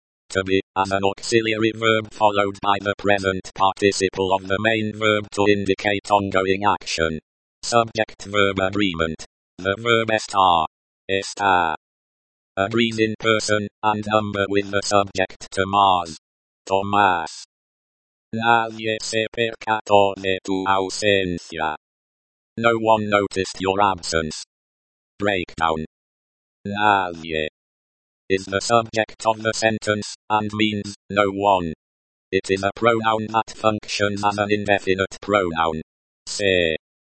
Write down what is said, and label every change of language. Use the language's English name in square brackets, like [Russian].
[English] To be, as an auxiliary verb followed by the present participle of the main verb to indicate ongoing action. Subject verb agreement. The verb estar. Estar. Agrees in person, and number with the subject Tomás. Tomás. [Spanish] Nadie se percató de tu ausencia. [English] No one noticed your absence. Breakdown. Nadie. Is the subject of the sentence, and means, no one. It is a pronoun that functions as an indefinite pronoun. Se.